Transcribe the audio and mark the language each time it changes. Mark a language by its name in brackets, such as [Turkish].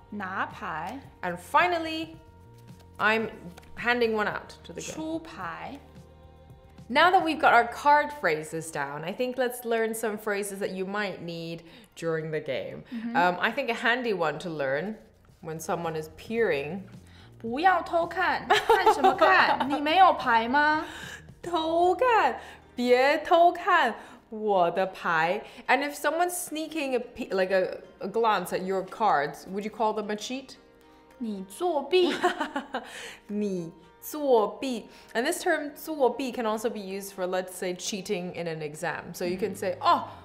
[Chinese] 拿牌 [English] And finally, I'm handing one out to the game. [Chinese] 出牌 [English] Now that we've got our card phrases down, I think let's learn some phrases that you might need during the game. I think a handy one to learn. When someone is peering. [Chinese] 不要偷看看什么看你没有牌吗偷看别偷看我的牌 [English] And if someone's sneaking a glance at your cards, would you call them a cheat? [Chinese] 你作弊你作弊 [English] And this term 作弊 can also be used for, let's say, cheating in an exam. So you can say, oh,